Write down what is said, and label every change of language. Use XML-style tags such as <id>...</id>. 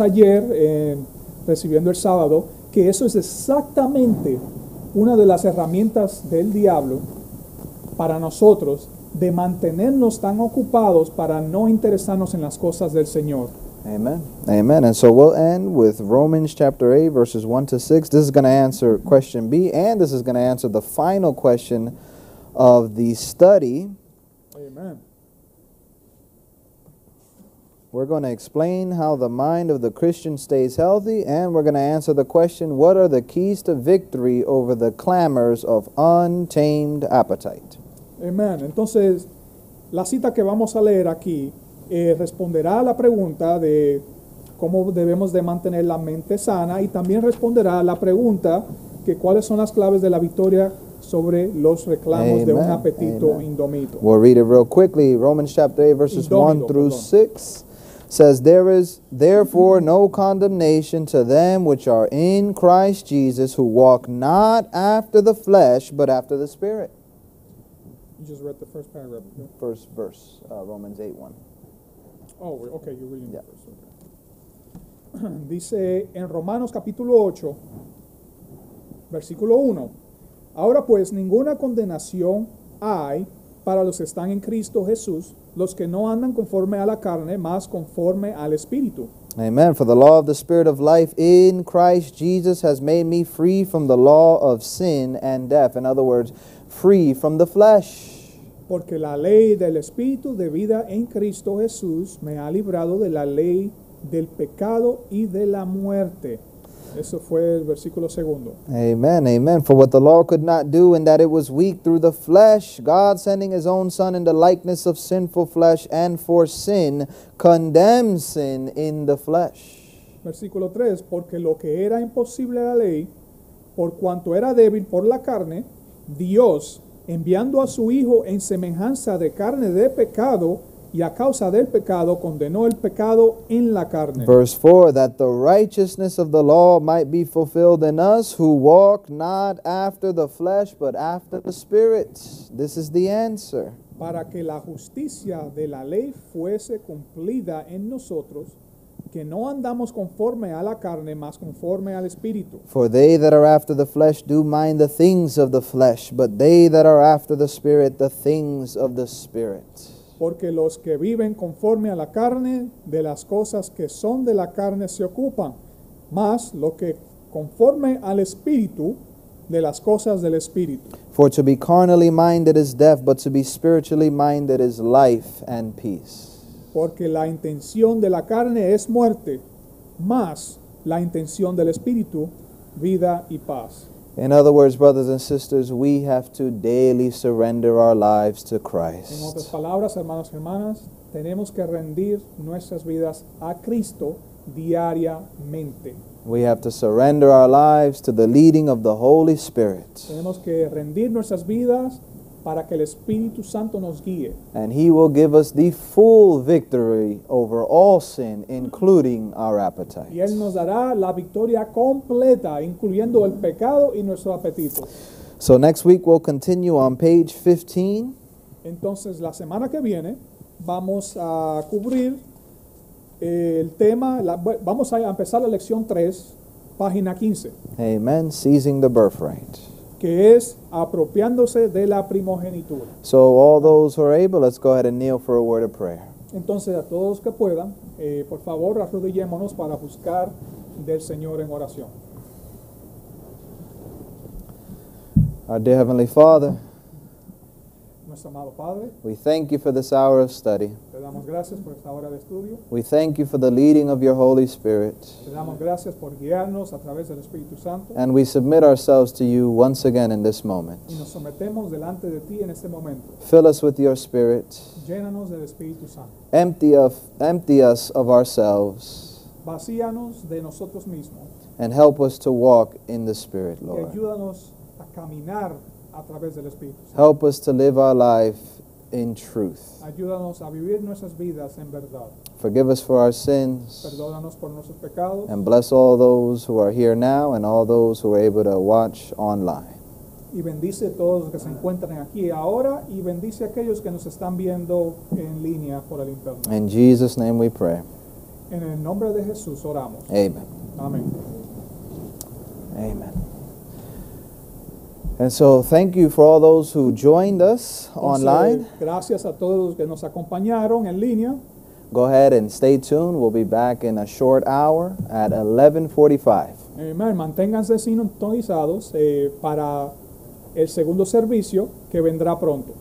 <es>ayer recibiendo el sábado, que eso es exactamente una de las herramientas del diablo para nosotros, de mantenernos tan ocupados para no interesarnos en las cosas del Señor.</es> <en>Amen. Amen. And so we'll end with Romans chapter 8, verses 1 to 6. This is going to answer question B, and this is going to answer the final question of the study. Amen. We're going to explain how the mind of the Christian stays healthy, and we're going to answer the question, what are the keys to victory over the clamors of untamed appetite? Amen.</en> <es>Entonces, la cita que vamos a leer aquí responderá a la pregunta de cómo debemos de mantener la mente sana, y también responderá a la pregunta que cuáles son las claves de la victoria sobre los reclamos de un apetito indómito.</es> <en>We'll read it real quickly. Romans chapter 8, verses 1 through 6. Says, there is therefore no condemnation to them which are in Christ Jesus, who walk not after the flesh, but after the Spirit. You just read the first paragraph. Okay? First verse, Romans 8:1. Oh, okay, you're reading the verse. Okay.</en> <es>Dice, en Romanos capítulo 8, versículo 1. Ahora pues, ninguna condenación hay para los que están en Cristo Jesús, los que no andan conforme a la carne, más conforme al Espíritu.</es> <en>Amen. For the law of the Spirit of life in Christ Jesus has made me free from the law of sin and death. In other words, free from the flesh.</en> <es>Porque la ley del Espíritu de vida en Cristo Jesús me ha librado de la ley del pecado y de la muerte. Eso fue el versículo segundo.</es> <en>Amen, amen. For what the law could not do in that it was weak through the flesh, God sending his own son in the likeness of sinful flesh and for sin, condemned sin in the flesh.</en> <es>Versículo 3. Porque lo que era imposible a la ley, por cuanto era débil por la carne, Dios, enviando a su hijo en semejanza de carne de pecado, y a causa del pecado, condenó el pecado en la carne.</es> <en>Verse 4, that the righteousness of the law might be fulfilled in us who walk not after the flesh, but after the Spirit. This is the answer.</en> <es>Para que la justicia de la ley fuese cumplida en nosotros, que no andamos conforme a la carne, mas conforme al Espíritu.</es> <en>For they that are after the flesh do mind the things of the flesh, but they that are after the Spirit, the things of the Spirit.</en> <es>Porque los que viven conforme a la carne, de las cosas que son de la carne se ocupan, mas lo que conforme al Espíritu, de las cosas del Espíritu.</es> <en>For to be carnally minded is death, but to be spiritually minded is life and peace.</en> <es>Porque la intención de la carne es muerte, mas la intención del Espíritu, vida y paz.</es> <en>In other words, brothers and sisters, we have to daily surrender our lives to Christ.</en> <es>En otras palabras, hermanos y hermanas, tenemos que rendir nuestras vidas a Cristo diariamente.</es> <en>We have to surrender our lives to the leading of the Holy Spirit.</en> <es>Tenemos que rendir nuestras vidas para que el Espíritu Santo nos guíe.</es> <en>And He will give us the full victory over all sin, including our appetite.</en> <es>Y Él nos dará la victoria completa, incluyendo el pecado y nuestro apetito.</es> <en>So next week we'll continue on page 15.</en> <es>Entonces la semana que viene vamos a cubrir el tema, vamos a empezar la lección 3, página 15.</es> <en>Amen, seizing the birthright.</en> <es>Que es apropiándose de la primogenitura.</es> <en>So all those who are able, let's go ahead and kneel for a word of prayer.</en> <es>Entonces a todos que puedan, por favor, arrodillémonos para buscar del Señor en oración.</es> <en>Our dear Heavenly Father,</en> <es>amado Padre,</es> <en>we thank you for this hour of study.</en> <es>Te damos gracias por esta hora de estudio.</es> <en>We thank you for the leading of your Holy Spirit.</en> <es>Te damos gracias por guiarnos a través del Espíritu Santo.</es> <en>And we submit ourselves to you once again in this moment.</en> <es>Y nos sometemos delante de ti en este momento.</es> <en>Fill us with your Spirit.</en> <es>Llénanos del Espíritu Santo.</es> <en>Empty us of ourselves.</en> <es>Vacíanos de nosotros mismos.</es> <en>And help us to walk in the Spirit, Lord.</en> <es>Y ayúdanos a caminar a través del Espíritu Santo.</es> <en>Help us to live our life in truth.</en> <es>Ayúdanos a vivir nuestras vidas en verdad.</es> <en>Forgive us for our sins.</en> <es>Perdónanos por nuestros pecados.</es> <en>And bless all those who are here now and all those who are able to watch online.</en> <es>Y bendice a todos los que se encuentran aquí ahora y bendice a aquellos que nos están viendo en línea por el internet.</es> <en>In Jesus' name we pray.</en> <es>En el nombre de Jesús oramos.</es> <en>Amen.</en> <es>Amén.</es> <en>Amen. And so thank you for all those who joined us online.</en> <es>Gracias a todos los que nos acompañaron en línea.</es> <en>Go ahead and stay tuned. We'll be back in a short hour at 11:45. Amen.</en> <es>Manténganse sintonizados para el segundo servicio que vendrá pronto.</es>